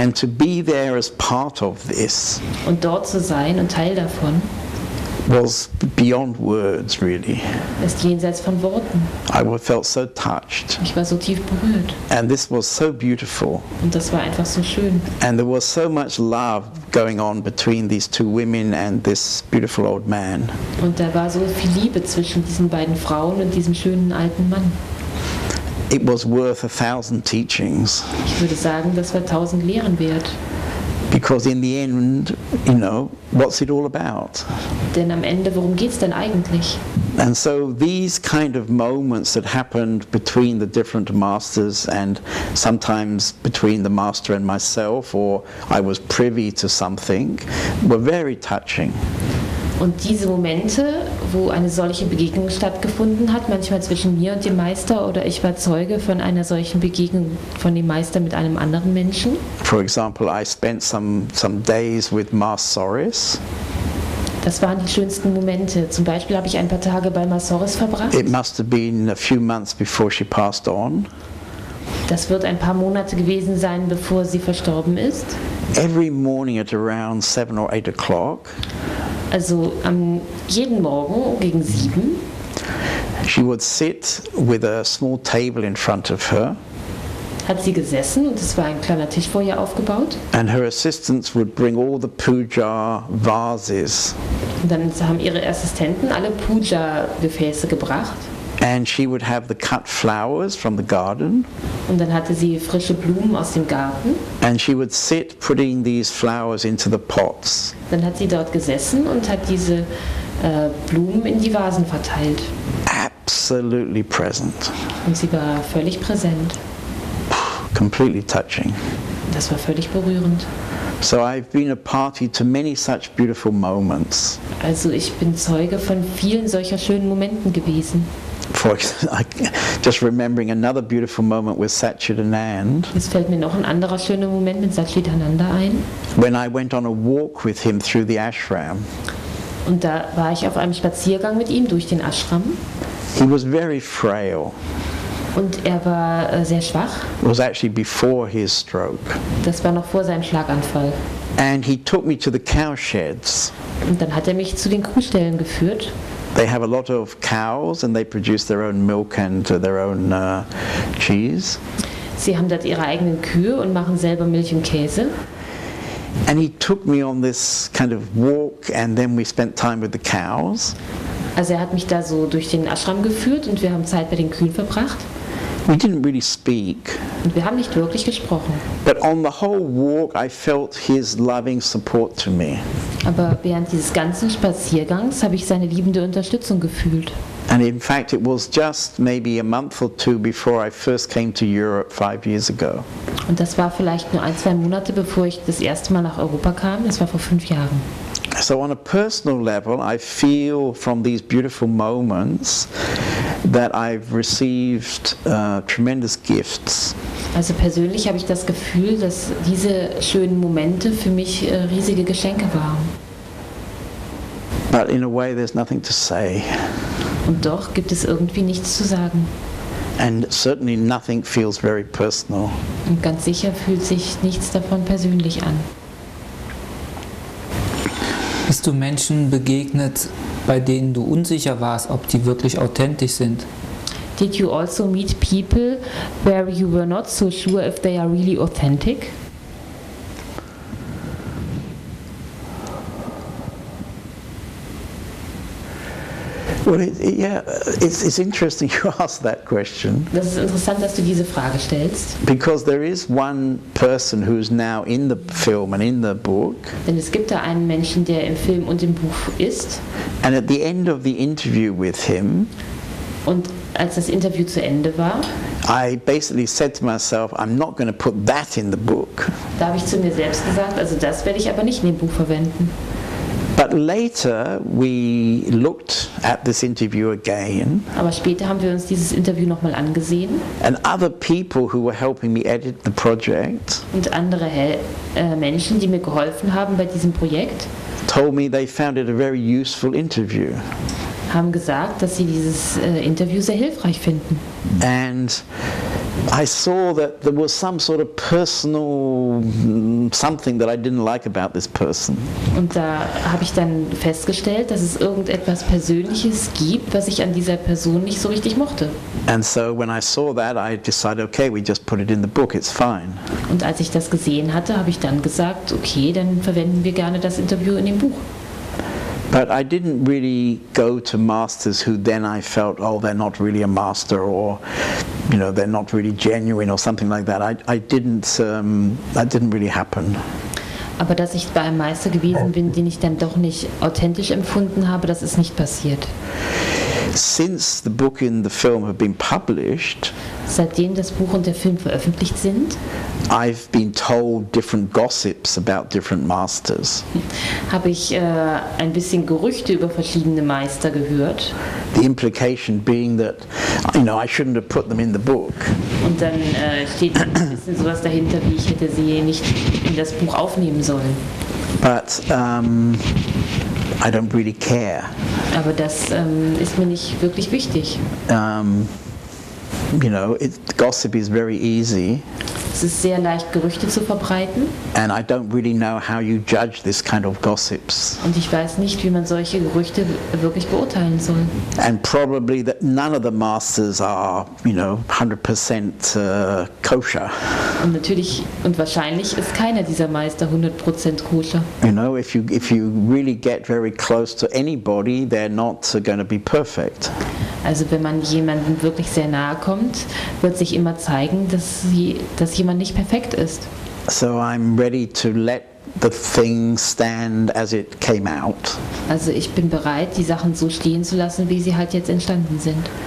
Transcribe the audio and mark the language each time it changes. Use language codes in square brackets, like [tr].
[en] And to be there as part of this, [de] und dort zu sein und Teil davon, [en] was beyond words, really. [de] Ist jenseits von Worten. [en] I felt so touched. [de] Ich war so tief berührt. [en] And this was so beautiful. [de] Und das war einfach so schön. [en] And there was so much love going on between these two women and this beautiful old man. [de] Und da war so viel Liebe zwischen diesen beiden Frauen und diesem schönen alten Mann. [en] It was worth 1,000 teachings. [de] Ich würde sagen, das war 1,000 Lehren wert. [en] Because in the end, you know, what's it all about? [de] Denn am Ende, worum geht's denn eigentlich? [en] And so these kind of moments that happened between the different masters and sometimes between the master and myself, or I was privy to something, were very touching. [de] Und diese Momente, wo eine solche Begegnung stattgefunden hat, manchmal zwischen mir und dem Meister oder ich war Zeuge von einer solchen Begegnung von dem Meister mit einem anderen Menschen. [en] For example, I spent some days with Marsoris. [de] Das waren die schönsten Momente. Zum Beispiel habe ich ein paar Tage bei Marsoris verbracht. [en] It must have been a few months before she passed on. [de] Das wird ein paar Monate gewesen sein, bevor sie verstorben ist. [en] Every morning at around 7 or 8 o'clock. [de] Also jeden Morgen gegen 7. [en] She would sit with a small table in front of her. [de] hat sie gesessen und es war ein kleiner Tisch vor ihr aufgebaut. [en] And her assistants would bring all the puja vases. [de] Und dann haben ihre Assistenten alle Puja Gefäße gebracht. [en] And she would have the cut flowers from the garden. [de] Und dann hatte sie frische Blumen aus dem Garten. [en] And she would sit putting these flowers into the pots. [de] Dann hat sie dort gesessen und hat diese Blumen in die Vasen verteilt. [en] Absolutely present. [de] Und sie war völlig präsent. [en] Completely touching. [de] Das war völlig berührend. [en] So I've been a party to many such beautiful moments. [de] Also ich bin Zeuge von vielen solcher schönen Momenten gewesen. [en] For just remembering another beautiful moment with Satchitanand. [de] Es fällt mir noch ein anderer schöner Moment mit Satchitananda ein. [en] When I went on a walk with him through the ashram. [de] Und da war ich auf einem Spaziergang mit ihm durch den Ashram. [en] He was very frail. [de] Und er war sehr schwach. [en] It was actually before his stroke. [de] Das war noch vor seinem Schlaganfall. [en] And he took me to the cow sheds. [de] Und dann hat er mich zu den Kuhställen geführt. [en] They have a lot of cows and they produce their own milk and their own cheese. [de] Sie haben dort ihre eigenen Kühe und machen selber Milch und Käse. [en] And he took me on this kind of walk and then we spent time with the cows. [de] Also er hat mich da so durch den Ashram geführt und wir haben Zeit bei den Kühen verbracht. [en] We didn't really speak. [de] Und wir haben nicht wirklich gesprochen. [en] But on the whole walk I felt his loving support to me. [de] Aber während dieses ganzen Spaziergangs habe ich seine liebende Unterstützung gefühlt. [en] And in fact it was just maybe a month or two before I first came to Europe 5 years ago. [de] Und das war vielleicht nur ein, zwei Monate bevor ich das erste Mal nach Europa kam, das war vor 5 Jahren. [en] So on a personal level I feel from these beautiful moments that I've received tremendous gifts. [de] Also persönlich habe ich das Gefühl, dass diese schönen Momente für mich riesige Geschenke waren. [en] But in a way there's nothing to say. [de] Und doch gibt es irgendwie nichts zu sagen. [en] And certainly nothing feels very personal. [de] Und ganz sicher fühlt sich nichts davon persönlich an. Bist du Menschen begegnet, bei denen du unsicher warst, ob die wirklich authentisch sind? [en] Did you also meet people where you were not so sure if they are really authentic? Well, it's interesting you ask that question. [de] Das ist interessant, dass du diese Frage stellst. [en] Because there is one person who is now in the film and in the book. [de] Denn es gibt da einen Menschen, der im Film und im Buch ist. [en] And at the end of the interview with him. [de] Und als das Interview zu Ende war. [en] I basically said to myself, I'm not going to put that in the book. [de] Da habe ich zu mir selbst gesagt, also das werde ich aber nicht in dem Buch verwenden. [en] But later we looked at this interview again. [de] Aber später haben wir uns dieses Interview nochmal angesehen. [en] And other people who were helping me edit the project. [de] Und andere Menschen, die mir geholfen haben bei diesem Projekt. [en] Told me they found it a very useful interview. [de] Haben gesagt, dass sie dieses Interview sehr hilfreich finden. [en] And I saw that there was some sort of personal something that I didn't like about this person. [de] Und da habe ich dann festgestellt, dass es irgendetwas Persönliches gibt, was ich an dieser Person nicht so richtig mochte. [en] And so when I saw that, I decided, okay, we just put it in the book, it's fine. [de] Und als ich das gesehen hatte, habe ich dann gesagt, okay, dann verwenden wir gerne das Interview in dem Buch. [en] But I didn't really go to masters who then I felt, oh, they're not really a master, or, you know, they're not really genuine, or something like that. That didn't really happen. [de] Aber dass ich bei einem Meister gewesen bin, den ich dann doch nicht authentisch empfunden habe, das ist nicht passiert. [en] Since the book and the film have been published, [de] seitdem das Buch und der Film veröffentlicht sind, [en] I've been told different gossips about different masters. [de] Habe ich ein bisschen Gerüchte über verschiedene Meister gehört. [en] The implication being that, you know, I shouldn't have put them in the book. [de] Und dann steht ein bisschen sowas dahinter, wie ich hätte sie nicht in das Buch aufnehmen sollen. [en] But I don't really care. [de] Aber das ist mir nicht wirklich wichtig. [en] You know, gossip is very easy. [de] Es ist sehr leicht, Gerüchte zu verbreiten. [en] And I don't really know how you judge this kind of gossips. [de] Und ich weiß nicht, wie man solche Gerüchte wirklich beurteilen soll. [en] And probably that none of the masters are, you know, 100% kosher. [de] Und natürlich und wahrscheinlich ist keiner dieser Meister 100% koscher. [en] You know, if you really get very close to anybody, they're not going to be perfect. [de] Also wenn man jemandem wirklich sehr nahe kommt, wird sich immer zeigen, dass jemand nicht perfekt ist. [en] So I'm ready to let the thing stand as it came out. [de] Also ich bin bereit, die Sachen so stehen zu lassen, wie sie halt jetzt entstanden sind.